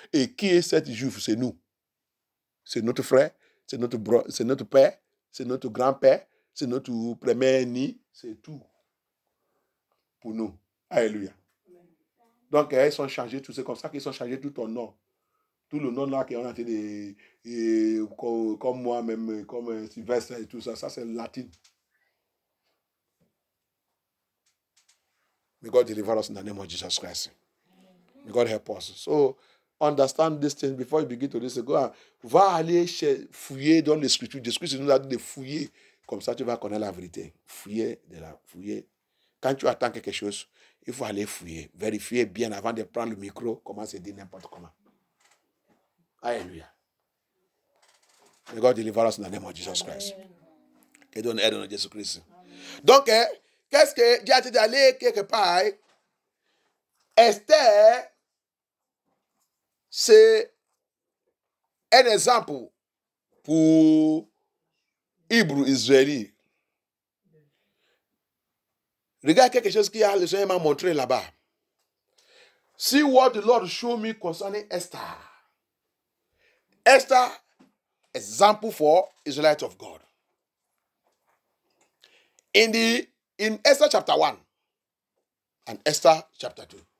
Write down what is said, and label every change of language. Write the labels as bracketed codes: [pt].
[fr] Et qui est cette Juif? C'est nous, c'est notre frère, c'est notre bro, c'est notre père, c'est notre grand-père, c'est notre premier ni, c'est tout pour nous. Alléluia. Donc ils sont changés, tout c'est comme ça qu'ils sont changés tout ton nom. Tout le nom là qu'on a été comme moi-même, comme Sylvester et tout ça, ça c'est latin. [en] May God deliver us in the name of Jesus Christ. May God help us. So, understand this thing before you begin to listen. Go on. [fr] Va aller fouiller dans les scriptures. Jésus nous a dit de fouiller. Comme ça, tu vas connaître la vérité. Fouiller. Quand tu attends quelque chose, il faut aller fouiller. Vérifier bien avant de prendre le micro, comment c'est dit n'importe comment. Alléluia. May God deliver us in the name of Jesus Christ. Que donne aide de Jésus Christ. Donc, qu'est-ce que j'ai dit d'aller quelque part? Esther, c'est un exemple pour Hébreu Israélite. Regarde quelque chose qui a le Seigneur m'a montré là-bas. [en] See what the Lord showed me concerning Esther. Esther, example for Israelite of God. In Esther chapter 1 and Esther chapter 2.